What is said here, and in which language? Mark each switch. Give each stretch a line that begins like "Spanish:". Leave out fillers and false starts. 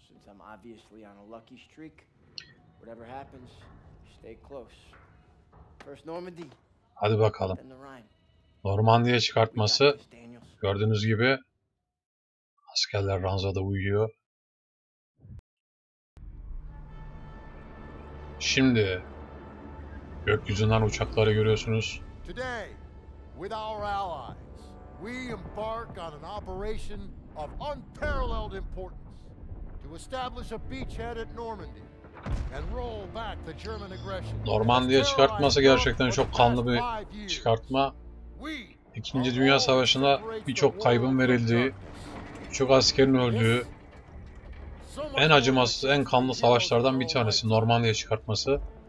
English: Since I'm obviously on a lucky streak, whatever happens, stay close. First Normandy.
Turkish: Hadi bakalım. Normandiya çıkartması. Gördüğünüz gibi askerler ranzada uyuyor. Şimdi gökyüzünden uçakları görüyorsunuz.
English: Today. With our allies, we embark on an operation of unparalleled importance to establish a beachhead at Normandy and roll back the German aggression.
Turkish: Normandiya çıkartması gerçekten çok kanlı bir çıkartma. İkinci Dünya Savaşı'nda birçok kaybın verildiği, birçok askerin öldüğü en acımasız, en kanlı savaşlardan bir tanesi Normandiya çıkartması.